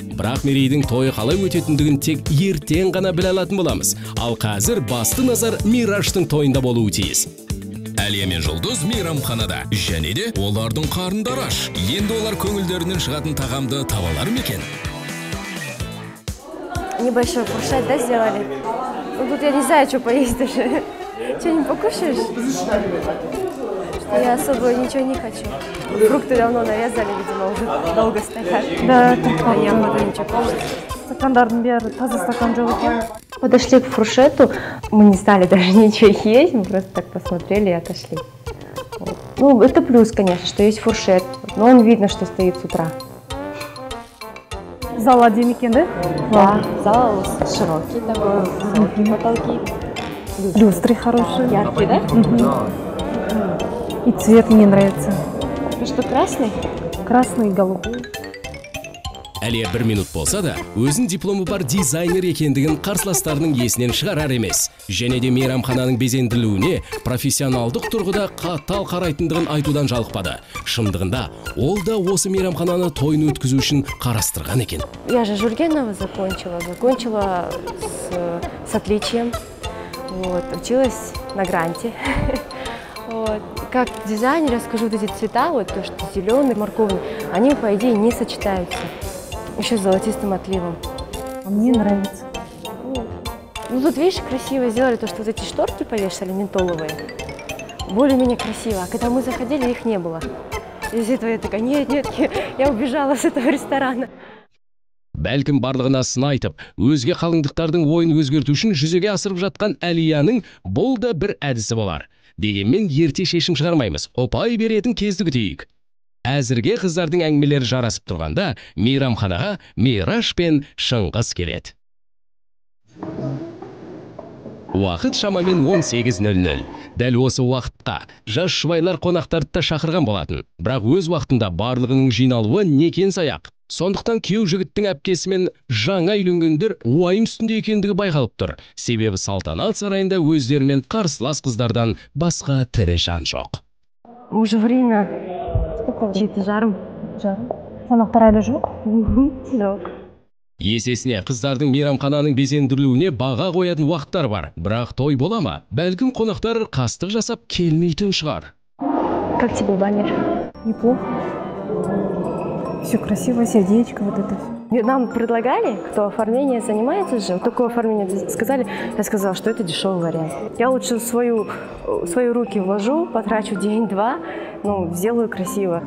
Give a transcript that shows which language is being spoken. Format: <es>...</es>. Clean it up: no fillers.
<kk>Бірақ Мерейдің тойы қалай өтетіндігін тек ертең ғана біле алатын боламыз. Ал қазір басты назар Мираждың тойында болуы тиіс. Әлия мен Жұлдыз мейрамханада. Және де олардың қарындары аш. Енді олар көңілдерінен шығатын тағамды таба алар ма екен?</kk> <ru>Небольшой фуршет, да, сделали? Ну, тут я не знаю, что поесть уже. Что, не покушаешь? Я особо ничего не хочу. Фрукты давно нарезали, видимо, уже долго стоят. Да, так понятно. Я не могу ничего кушать.</ru> <kk>Стакандарный бер, таза стакан джолки.</kk> <ru>Подошли к фуршету, мы не стали даже ничего есть, мы просто так посмотрели и отошли. Ну, это плюс, конечно, что есть фуршет, но он видно, что стоит с утра. Зал один икен, да? Да, зал широкий такой, высокие потолки. Люстры хорошие. Яркие, да? Угу. И цвет мне нравится. Ну что, красный? Красный и голубой.</ru> <kk>Әлия бір минут болса да, өзін дипломы бар дизайнер екендігін қарсыластарының есінен шығарар емес. Және де мейрамхананың безендірілуіне профессионалдық тұрғыда қатал қарайтындығын айтудан жалықпады. Шындығында ол да осы мейрамхананы тойын өткізу үшін қарастырған екен.</kk> <ru>Я же Жүргенова закончила с отличием, вот, училась на гранте. Вот. Как дизайнер, я скажу, вот эти цвета, вот то, что зеленый, морковный, они, по идее, не сочетаются. Еще с золотистым отливом. Мне нравится. Ну тут, видишь, красиво сделали то, что вот эти шторки повешали ментоловые. Более-менее красиво. А когда мы заходили, их не было. Из этого я такая, нет, нет, я убежала с этого ресторана.</ru> <kk>Бәлкім барлығына сын айтып, өзге қалыңдықтардың ойын өзгерту үшін жүзеге асырып жатқан Әлияның бұл да бір әдісі болар. Дегенмен ерте шешім шығармаймыз. Опай беретін кезді күтейік. Әзірге қыздардың әңгімелері жарасып тұрғанда, мейрамханаға Мираж пен Шыңғыс келеді. Уақыт шамамен 18:00. Дәл осы уақытта жас жұбайлар қонақтарды да шақырған болатын. Бірақ өз уақытында барлығының жиналуы некен саяқ. Сондықтан күйеу жігіттің әпкесімен жаңа үйленгендер уайым үстінде екендігі байқалып тұр. Себебі салтанат сарайында өздерімен қарсылас қыздардан басқа тірі жан жоқ.</kk> <ru>Уже время.</ru> <kk>Сонақтар әлі жоқ? Есесіне қыздардың мейрамхананың безендірілуіне баға қоятын уақыттар бар. Бірақ той бола ма? Бәлкім қонақтар қастық жасап келмейтін шығар.</kk> <ru>Как тебе баннер? Неплохо. Все красиво, сердечко, вот это все. Нам предлагали, кто оформление занимается же, вот такое оформление сказали, я сказала, что это дешевый вариант. Я лучше свои руки вложу, потрачу день-два, ну, сделаю красиво.</ru>